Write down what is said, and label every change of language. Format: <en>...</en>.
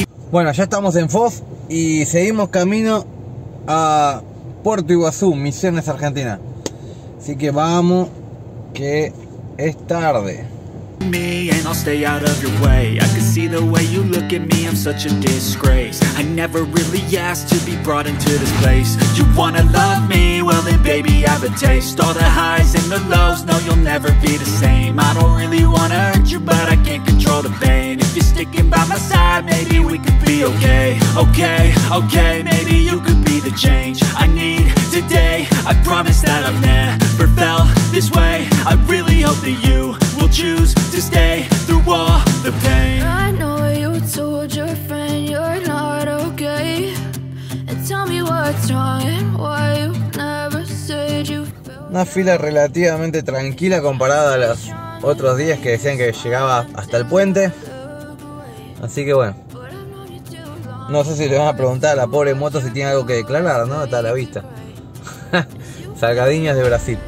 <es>Bueno, ya estamos en Foz y seguimos camino a Puerto Iguazú, Misiones, Argentina. Así que vamos, que es tarde.</es> <en>Me and I'll stay out of your way. I can see the way you look at me, I'm such a disgrace. I never really asked to be brought into this place. You wanna love me, well then baby I have a taste. All the highs and the lows, no you'll never be the same. I don't really wanna hurt you, but I can't control the pain. If you're sticking by my side, maybe we could be okay. Okay, okay, maybe you could be the change I need today. I promise that I've never felt this way. I really hope that you will choose to stay through all the pain. I know you told your friend you're not okay. And tell me what's wrong and why you never said you felt.</en> <es>Una fila relativamente tranquila comparada a los otros días que decían que llegaba hasta el puente. Así que bueno, no sé si le van a preguntar a la pobre moto si tiene algo que declarar, ¿no? Está a la vista. Salgadiños de Brasil.</es>